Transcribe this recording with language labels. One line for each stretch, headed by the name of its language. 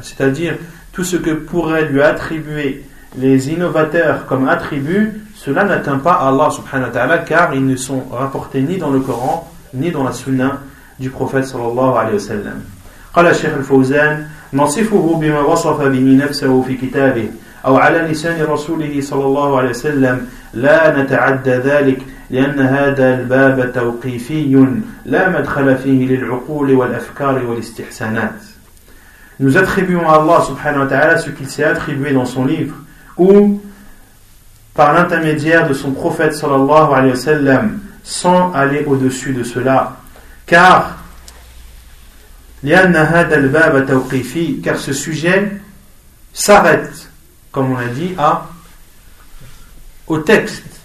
French: C'est-à-dire, tout ce que pourraient lui attribuer les innovateurs comme attribut, cela n'atteint pas Allah subhanahu wa ta'ala, car ils ne sont rapportés ni dans le Coran, ni dans la sunna du prophète sallallahu alayhi wa sallam.
Arabic: Qala Sheikh al-Fawzan, nasifuhu bima wasafa bihi nafsahu fi kitabih, أو على لسان رسوله صلى الله عليه وسلم لا نتعدى ذلك لأن هذا الباب توقيفي لا مدخل فيه للعقول والأفكار والاستحسانات.
French: Nous attribuons à Allah subhanahu wa ta'ala ce qu'il s'est attribué dans son livre ou par l'intermédiaire de son prophète sallallahu alayhi wa sallam sans aller au-dessus de cela. Car
Arabic: لأن هذا الباب توقيفي,
French: car ce sujet s'arrête, comme on l'a dit, au texte.